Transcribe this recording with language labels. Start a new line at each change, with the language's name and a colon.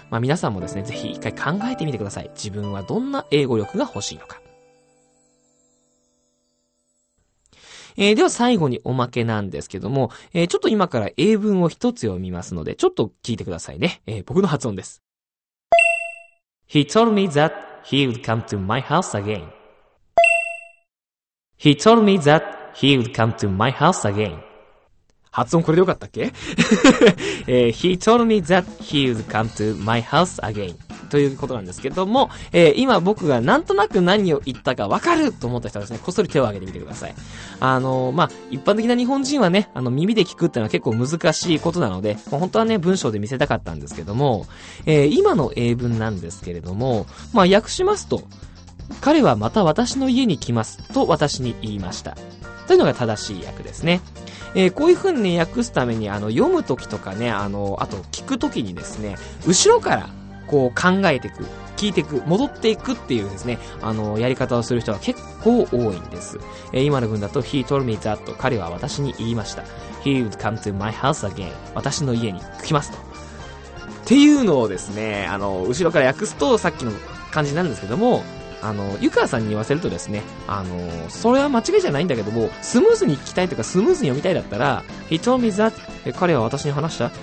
Japanese: まあ、皆さんもですね、ぜひ一回考えてみてください。自分はどんな英語力が欲しいのか。では最後におまけなんですけども、ちょっと今から英文を一つ読みますので、ちょっと聞いてくださいね。僕の発音です。
English: He told me that he would come to my house again. He told me that he would come to my house again.
Japanese: 発音これでよかったっけ？
English: He told me that he would come to my house again.
Japanese: ということなんですけども、今僕がなんとなく何を言ったかわかると思った人はですね、こっそり手を挙げてみてください。まあ、一般的な日本人はね、耳で聞くってのは結構難しいことなので、本当はね、文章で見せたかったんですけども、今の英文なんですけれども、まあ、訳しますと、彼はまた私の家に来ますと私に言いました。というのが正しい訳ですね。こういう風に、ね、訳すために、読むときとかね、あと聞くときにですね、後ろから、こう考えていく、聞いていく、戻っていくっていうですね、やり方をする人は結構多いんです。今の文だと、
English: He told me that
Japanese: 彼は私に言いました。
English: He would come to my house again
Japanese: 私の家に来ますと。っていうのをですね、後ろから訳すとさっきの感じなんですけども、湯川さんに言わせるとですね、それは間違いじゃないんだけども、スムーズに聞きたいとかスムーズに読みたいだったら、
English: He told me that
Japanese: 彼は私に話した。